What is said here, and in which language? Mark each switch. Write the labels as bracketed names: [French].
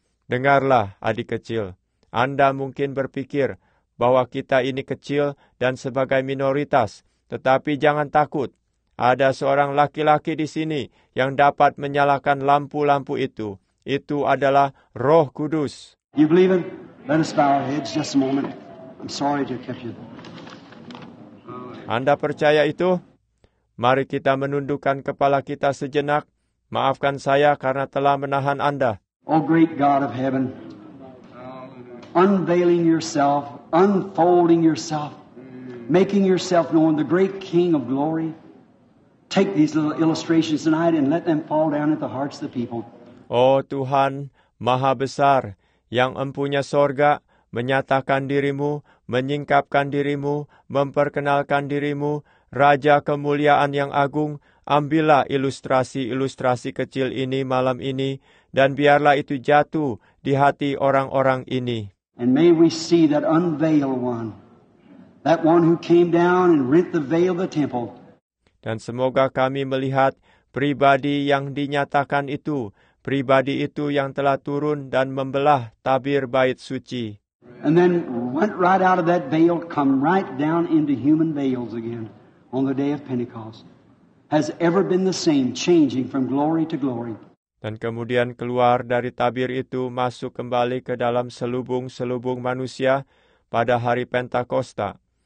[Indonesian] Dengarlah, adik kecil. Anda mungkin berpikir bahwa kita ini kecil dan sebagai minoritas. Tetapi jangan takut. Ada seorang laki-laki di sini yang dapat menyalakan lampu-lampu itu. Itu adalah Roh Kudus. [English] You believe it? Let us bow our heads just a moment. I'm sorry to keep you. [Indonesian] Anda percaya itu? Mari kita menundukkan kepala kita sejenak. Maafkan saya karena telah menahan Anda. [English] Oh great God of heaven, unveiling yourself, unfolding yourself, making yourself known, the great King of glory. Take these little illustrations tonight and let them fall down at the hearts of the people. [Indonesian] Oh Tuhan, Maha Besar, yang empunya sorga, menyatakan dirimu, menyingkapkan dirimu, memperkenalkan dirimu, Raja Kemuliaan yang Agung, ambillah ilustrasi-ilustrasi kecil ini malam ini, dan biarlah itu jatuh di hati orang-orang ini. [English] And may we see that unveiled one, that one who came down and rent the veil of the temple. [Indonesian] Dan semoga kami melihat pribadi yang dinyatakan itu, pribadi itu yang telah turun dan membelah tabir bait suci. [English] And then went right out of that veil, come right down into human veils again on the day of Pentecost. Has ever been the same, changing from glory to glory. [Indonesian] Dan kemudian keluar dari tabir itu, masuk kembali ke dalam selubung-selubung manusia pada hari Pentakosta.